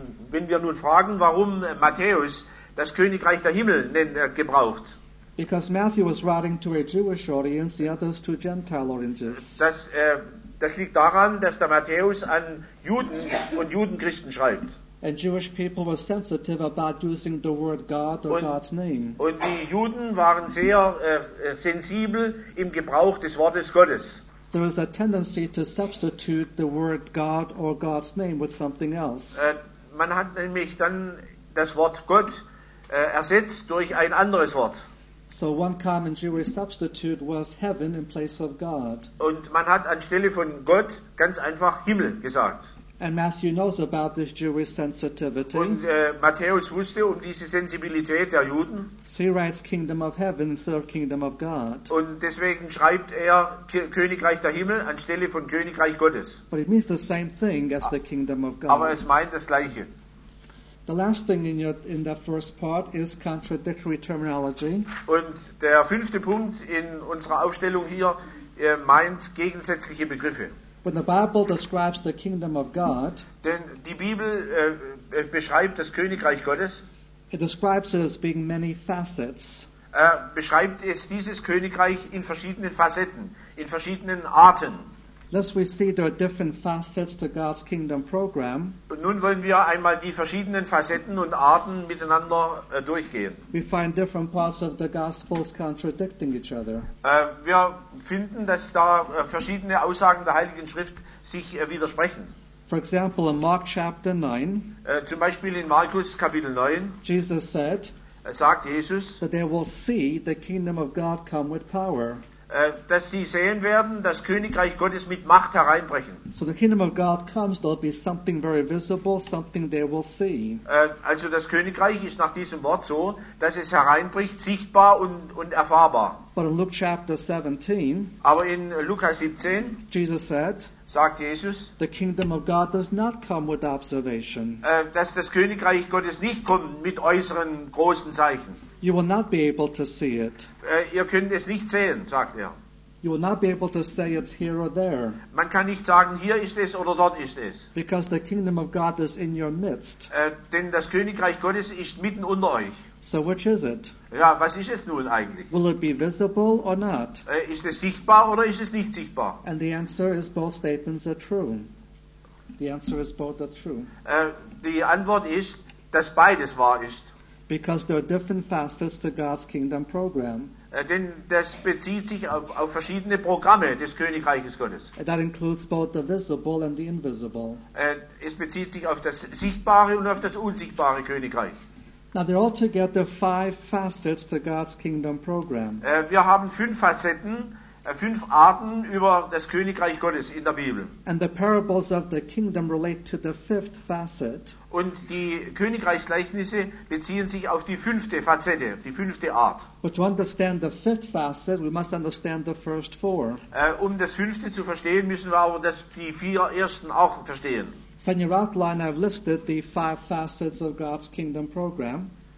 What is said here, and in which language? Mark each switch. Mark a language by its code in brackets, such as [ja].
[de] Wenn wir nun fragen, warum Matthäus das Königreich der Himmel gebraucht. [en] Because Matthew was writing to a Jewish audience, the others to Gentile audiences. [de] Das liegt daran, dass der Matthäus an Juden und Judenchristen schreibt. [en] And Jewish people were sensitive about using the word God or God's name. [de] Und die Juden waren sehr sensibel im Gebrauch des Wortes Gottes. [en] There is a tendency to substitute the word God or God's name with something else. [de] Man hat nämlich dann das Wort Gott ersetzt durch ein anderes Wort. [en] So one common Jewish substitute was heaven in place of God. [de] Und man hat anstelle von Gott ganz einfach Himmel gesagt. [en] And Matthew knows about this Jewish sensitivity. [de] Und Matthäus wusste um diese Sensibilität der Juden. [en] So he writes Kingdom of Heaven instead of Kingdom of God. [de] Und deswegen schreibt er Königreich der Himmel anstelle von Königreich Gottes. [en] But it means the same thing as the Kingdom of God. [de] Aber es meint das Gleiche. [en] The last thing in the first part is contradictory terminology. [de] Und der fünfte Punkt in unserer Aufstellung hier meint gegensätzliche Begriffe. [en] When the Bible describes the kingdom of God, [de] denn die Bibel beschreibt das Königreich Gottes. [en] It describes it as being many facets. [de] Beschreibt es dieses Königreich in verschiedenen Facetten, in verschiedenen Arten. [en] Thus we see there are different facets to God's kingdom program. [de] Und nun wollen wir einmal die verschiedenen Facetten und Arten miteinander durchgehen. [en] We find different parts of the Gospels contradicting each other. [de] Wir finden, dass da verschiedene Aussagen der Heiligen Schrift sich widersprechen. [en] For example, in Mark chapter 9, [de] zum Beispiel in Markus Kapitel 9, [en] Jesus said, [de] sagt Jesus, [en] that they will see the kingdom of God come with power. [de] Dass sie sehen werden, das Königreich Gottes mit Macht hereinbrechen. [en] So the kingdom of God comes, there'll be something very visible, something they will see. [de] Also das Königreich ist nach diesem Wort so, dass es hereinbricht, sichtbar und erfahrbar. [en] But in Luke chapter 17, [de] aber in Lukas 17, [en] Jesus said, [de] sagt Jesus, [en] the kingdom of God does not come with observation. [de] Dass das Königreich Gottes nicht kommt mit äußeren großen Zeichen. [en] You will not be able to see it. [de] Ihr könnt es nicht sehen, sagt er. [en] You will not be able to say it's here or there. [de] Man kann nicht sagen, hier ist es oder dort ist es. [en] Because the kingdom of God is in your midst. [de] Denn das Königreich Gottes ist mitten unter euch. [en] So which is it? [de] Ja, was ist es nun eigentlich? [en] Will it be visible or not? [de] Ist es sichtbar oder ist es nicht sichtbar? [en] And the answer is both statements are true. The answer is both are true. [de] Die Antwort ist, dass beides wahr ist. [en] Because there are different facets to God's kingdom program. [de] Denn das bezieht sich auf verschiedene Programme des Königreiches Gottes. [en] That includes both the visible and the invisible. [de] Es bezieht sich auf das sichtbare und auf das unsichtbare Königreich. [en] Now there are altogether five facets to God's kingdom program. [de] Wir haben fünf Facetten, fünf Arten über das Königreich Gottes in der Bibel. [en] And the parables of the kingdom relate to the fifth facet. [de] Und die Königreichsgleichnisse beziehen sich auf die fünfte Facette, die fünfte Art. [en] But to understand the fifth facet, we must understand the first four. [de] Um das fünfte zu verstehen, müssen wir aber die vier ersten auch verstehen. [en] So in your outline I've listed the five facets of God's kingdom program.